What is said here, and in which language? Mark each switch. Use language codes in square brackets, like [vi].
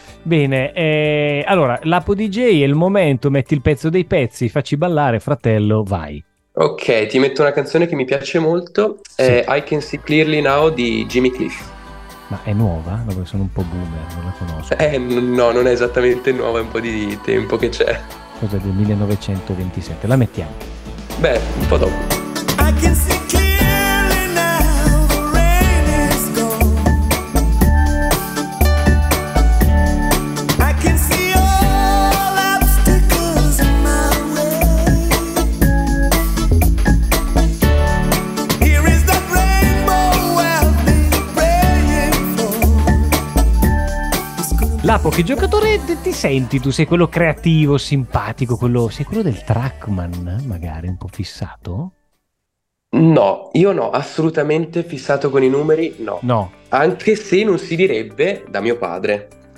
[it] Bene, allora, l'Apo DJ è il momento, metti il pezzo dei pezzi, facci ballare, fratello, vai. Ok, ti metto una canzone che mi piace molto, sì. I Can See Clearly Now di Jimmy Cliff. Ma è nuova? Sono un po' boomer, non la conosco. No, non è esattamente nuova, è un po' di tempo che c'è. Cosa, del 1927? La mettiamo. Beh, un po' dopo. [en] I can see clearly now, the rain is gone. I can see all obstacles in my way. Here is the rainbow I've been praying for. [it] Lapo, che giocatore ti senti? Tu sei quello creativo, simpatico, quello... sei quello del Trackman, magari, un po' fissato? No, io no, assolutamente fissato con i numeri, no. No. Anche se non si direbbe da mio padre.